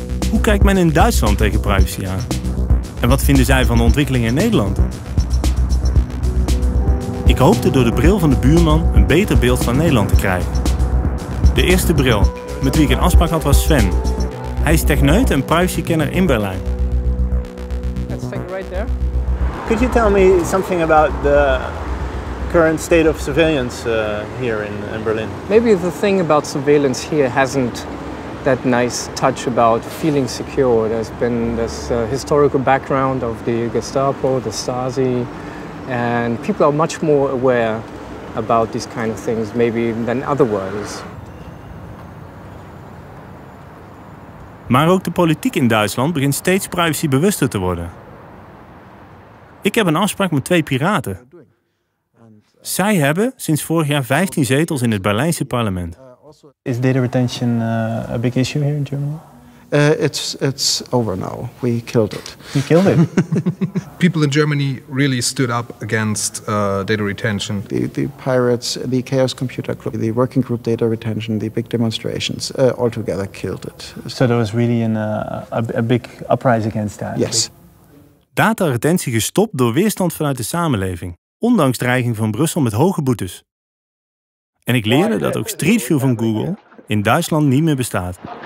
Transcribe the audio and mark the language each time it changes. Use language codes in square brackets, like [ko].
[nl] Hoe kijkt men in Duitsland tegen privacy aan? En wat vinden zij van de ontwikkeling in Nederland? Ik hoopte door de bril van de buurman een beter beeld van Nederland te krijgen. De eerste bril met wie ik een afspraak had was Sven. Hij is techneut en privacykenner in Berlijn. [en] Let's take it right there. Could you tell me something about the current state of surveillance here in Berlin? Maybe the thing about surveillance here hasn't that nice touch about feeling secure. There's been this historical background of the Gestapo, the Stasi, and people are much more aware about these kind of things maybe than otherwise. [nl] Maar ook de politiek in Duitsland begint steeds privacybewuster te worden. Ik heb een afspraak met twee piraten. Zij hebben sinds vorig jaar 15 zetels in het Berlijnse parlement. [en] Is data retention a big issue here in Germany? It's over now. We killed it. You killed it. People in Germany really stood up against data retention. The pirates, the chaos computer group, the working group data retention, the big demonstrations, altogether killed it. So there was really a big uprise against that. Yes. [nl] Dataretentie gestopt door weerstand vanuit de samenleving, ondanks dreiging van Brussel met hoge boetes. En ik leerde dat ook Street View van Google in Duitsland niet meer bestaat.